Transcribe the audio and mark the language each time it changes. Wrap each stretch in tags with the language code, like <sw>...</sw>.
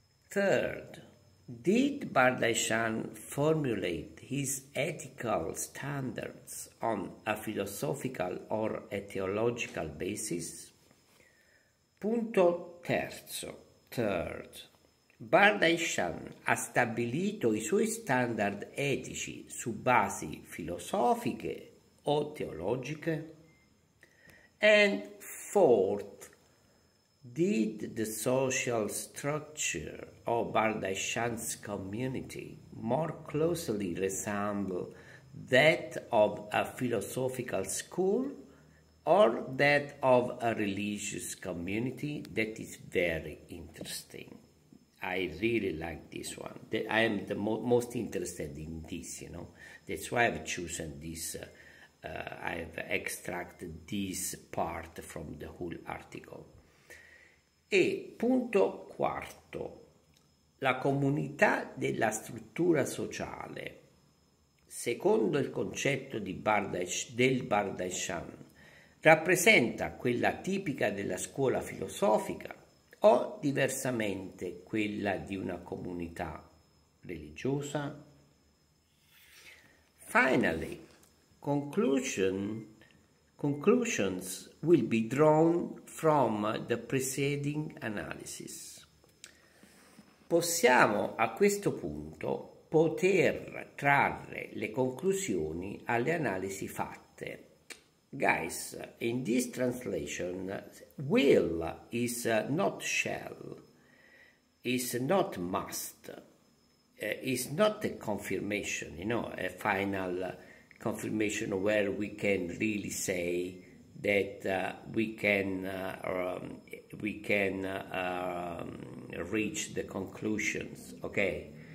<en>Third, did Bardashian formulate his ethical standards on a philosophical or a theological basis?</en> <it>Punto terzo. Third, Bardashian ha stabilito i suoi standard etici su basi filosofiche o teologiche?</it> <en>And fourth, did the social structure of Bardashian's community more closely resemble that of a philosophical school? Or that of a religious community? That is very interesting. I really like this one. I am the mo most interested in this, you know. That's why I've chosen this, I've extracted this part from the whole article.</en> <it>E punto quarto, la comunità della struttura sociale, secondo il concetto del Bardashian, rappresenta quella tipica della scuola filosofica o diversamente quella di una comunità religiosa?</it> <en>Finally, conclusions will be drawn from the preceding analysis.</en> <it>possiamo a questo punto poter trarre le conclusioni alle analisi fatte.</it> <en>Guys, in this translation, will is not shall, is not must, is not a confirmation, you know, a final confirmation where we can really say that we can reach the conclusions, okay?</en>